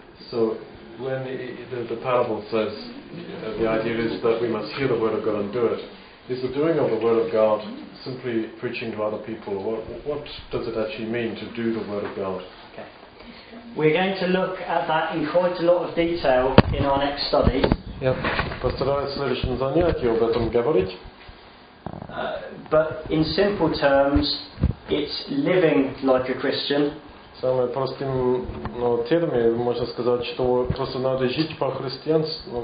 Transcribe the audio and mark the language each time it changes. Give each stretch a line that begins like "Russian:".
English: So, when the parable says, the idea is that we must hear the word of God and do it. Is the doing of the word of God simply preaching to other people? What does it actually mean to do the word of God? Okay. We're going to look at that in quite a lot of detail in our next study.
Russian: Я постараюсь в следующем занятии об этом говорить.
English: But in simple terms, it's living like a Christian.
Russian: Самым простым термином можно сказать, что просто надо жить по-христиански.